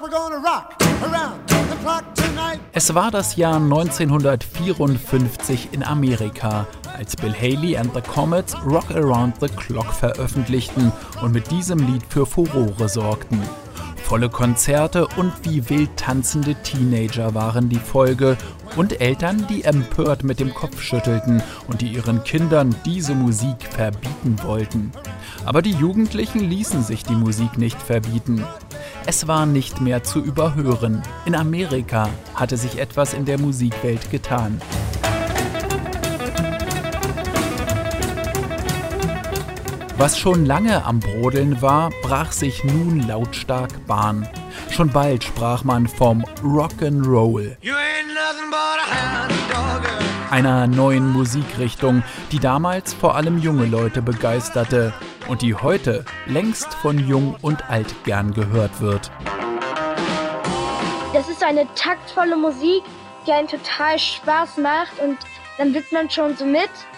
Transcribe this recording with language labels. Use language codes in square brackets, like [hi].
[en] We're gonna rock around the clock tonight. [de] Es war das Jahr 1954 in Amerika, als Bill Haley and the Comets Rock Around the Clock veröffentlichten und mit diesem Lied für Furore sorgten. Volle Konzerte und wie wild tanzende Teenager waren die Folge und Eltern, die empört mit dem Kopf schüttelten und die ihren Kindern diese Musik verbieten wollten. Aber die Jugendlichen ließen sich die Musik nicht verbieten. Es war nicht mehr zu überhören. In Amerika hatte sich etwas in der Musikwelt getan. Was schon lange am Brodeln war, brach sich nun lautstark Bahn. Schon bald sprach man vom Rock'n'Roll. [en] You ain't nothing but a hound dog. [de] Einer neuen Musikrichtung, die damals vor allem junge Leute begeisterte und die heute längst von Jung und Alt gern gehört wird. Das ist eine taktvolle Musik, die einen total Spaß macht und dann wird man schon so mit.